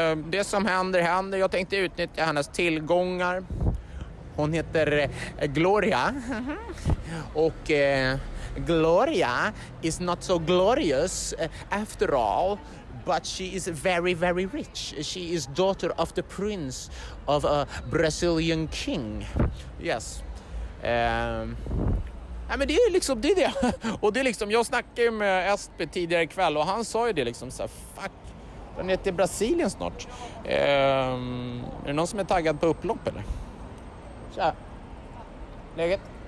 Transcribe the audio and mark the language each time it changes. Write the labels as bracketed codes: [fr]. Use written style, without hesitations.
[sv] Det som händer, händer. Jag tänkte utnyttja hennes tillgångar. Hon heter Gloria. Och [en] Gloria is not so glorious after all. But she is very, very rich. She is daughter of the prince of a Brazilian king. Yes. [sv] Men det är liksom det. Och det är liksom, jag snackade ju med Espe tidigare ikväll och han sa ju det liksom så här, fuck, den är till Brasilien snart. Är det någon som är taggad på upplopp eller? Tja. Läget?